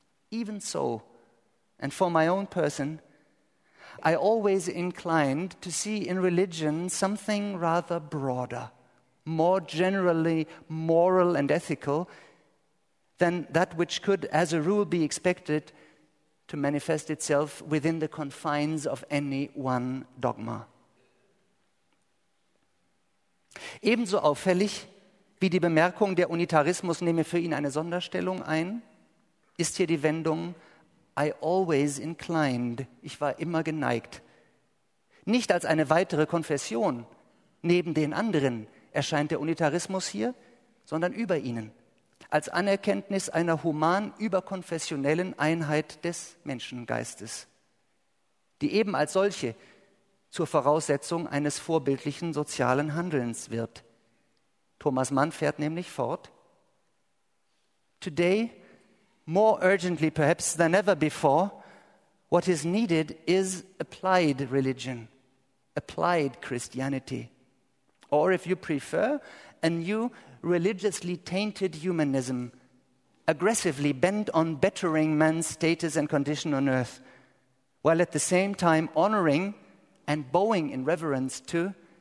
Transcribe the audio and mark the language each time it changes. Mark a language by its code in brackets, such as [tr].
[en] Even so, and for my own person, I always inclined to see in religion something rather broader, more generally moral and ethical, than that which could, as a rule, be expected to manifest itself within the confines of any one dogma. [de] Ebenso auffällig wie die Bemerkung, der Unitarismus nehme für ihn eine Sonderstellung ein, ist hier die Wendung [en] I always inclined, [de] ich war immer geneigt. Nicht als eine weitere Konfession neben den anderen erscheint der Unitarismus hier, sondern über ihnen, als Anerkenntnis einer human überkonfessionellen Einheit des Menschengeistes, die eben als solche zur Voraussetzung eines vorbildlichen sozialen Handelns wird. Thomas Mann fährt nämlich fort. [en] Today, more urgently perhaps than ever before, what is needed is applied religion, applied Christianity, or if you prefer, a new religiously tainted humanism, aggressively bent on bettering man's status and condition on earth, while at the same time honoring and bowing in reverence to